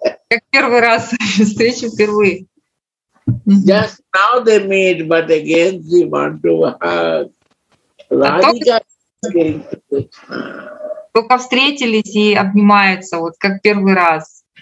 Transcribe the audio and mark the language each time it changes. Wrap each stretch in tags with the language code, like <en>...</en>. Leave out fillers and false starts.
<ru>Как первый раз, встреча впервые. Mm-hmm.</ru> <en>Just now they meet, but again they want to hug. Radhika is getting to Krishna.</en> <ru>Только встретились и обнимаются, вот как первый раз.</ru>